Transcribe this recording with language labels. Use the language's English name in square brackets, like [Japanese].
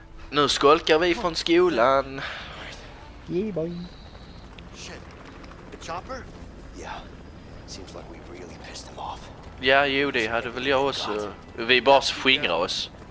[Swedish] Nu skolkar vi från skolan. [English] Yeah, boy. Shit. The chopper? Yeah. Seems like we really pissed him off. [Swedish] Ja, jo, det hade väl jag också. Vi bara skingrar oss.